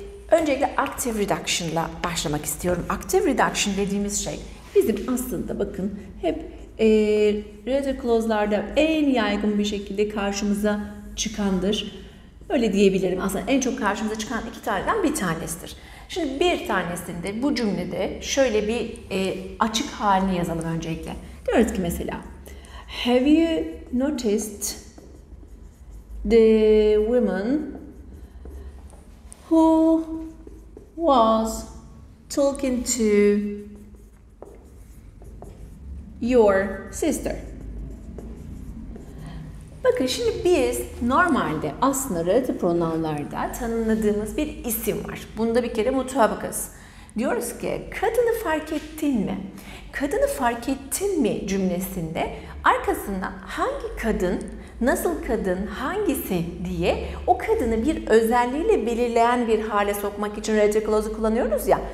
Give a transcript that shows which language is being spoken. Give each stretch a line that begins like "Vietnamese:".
Turkish: Öncelikle active reduction'la başlamak istiyorum. Active reduction dediğimiz şey bizim aslında bakın hep reduction clause'larda en yaygın bir şekilde karşımıza çıkandır. Öyle diyebilirim. Aslında en çok karşımıza çıkan iki taneden bir tanesidir. Şimdi bir tanesinde bu cümlede şöyle bir açık halini yazalım öncelikle. Diyoruz ki mesela
English: Have you noticed the woman who was talking to your sister.
Turkish: Bakın şimdi biz normalde aslında relative pronounlarda tanımladığımız bir isim var. Bunda bir kere mutabıkız. Diyoruz ki kadını fark ettin mi? Kadını fark ettin mi cümlesinde arkasında hangi kadın, nasıl kadın, hangisi diye o kadını bir özelliğiyle belirleyen bir hale sokmak için relative clause'u kullanıyoruz ya.